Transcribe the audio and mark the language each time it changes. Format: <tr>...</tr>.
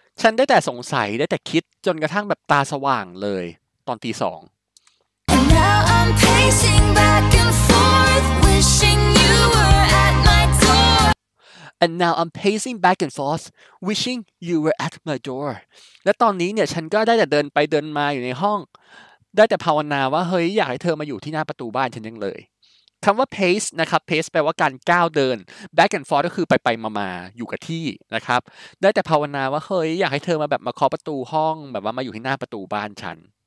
<th>ฉันได้แต่สงสัยได้แต่คิดจนกระทั่งแบบตาสว่างเลยตอนตีสอง</th> <en>And now I'm pacing back and forth, wishing you were at my door. And now I'm pacing back and forth, wishing you were at my door.</en> <th>และตอนนี้เนี่ยฉันก็ได้แต่เดินไปเดินมาอยู่ในห้องได้แต่ภาวนาว่าเฮ้ยอยากให้เธอมาอยู่ที่หน้าประตูบ้านฉันยังเลยคำว่า pace นะครับ pace แปลว่าการก้าวเดิน</th> <en>back and forth</en> <th>ก็คือไปมาอยู่กับที่นะครับได้แต่ภาวนาว่าเฮ้ยอยากให้เธอมาแบบมาเคาะประตูห้องแบบว่ามาอยู่ที่หน้าประตูบ้านฉัน</th>